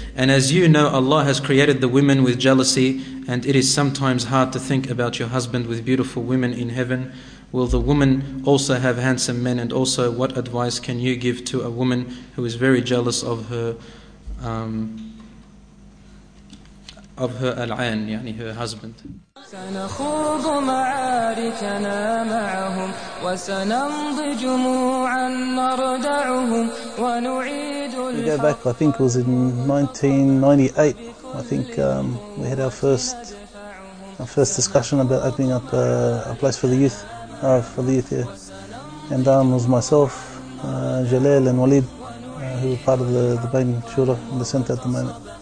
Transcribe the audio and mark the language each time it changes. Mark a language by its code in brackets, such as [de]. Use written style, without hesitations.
[en] And as you know, Allah has created the women with jealousy, and it is sometimes hard to think about your husband with beautiful women in heaven. Will the woman also have handsome men? And also, what advice can you give to a woman who is very jealous of her al-Ayn, yani her husband? [ar] سنخوض معاركنا معهم وسنمضي جموعا نردعهم ونعيد الحق. [en] We go back, I think it was in 1998, I think we had our first discussion about opening up a place for the youth here. And it was myself, Jalal and Walid, who were part of the Bain Shura in the centre at the moment.